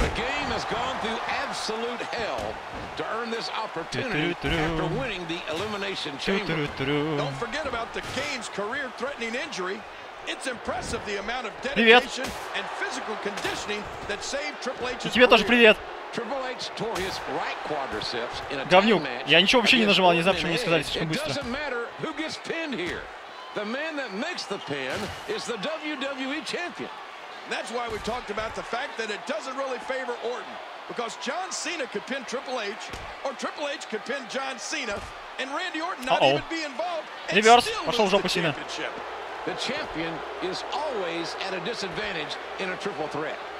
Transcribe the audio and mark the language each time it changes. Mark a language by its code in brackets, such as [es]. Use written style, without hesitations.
[en] The game has gone through absolute hell to earn this opportunity after winning the Elimination Chamber. Don't forget about the Kane's career-threatening injury. It's impressive the amount of dedication and physical conditioning that saved Triple H's. [ru] Тебе тоже привет. [en] Triple H tore his right quadriceps in a game. [ru] Я ничего вообще не нажимал, не знаю, почему мне сказали слишком быстро. [en] It doesn't matter who gets pinned here. The man that makes the pin is the WWE champion. That's why we talked about the fact that it doesn't really favor Orton, because John Cena could pin Triple H, or Triple H could pin John Cena, and Randy Orton not even be involved. Reverse. [ru] Пошел в жопу Сина. [en] The champion is always at a disadvantage in a triple threat.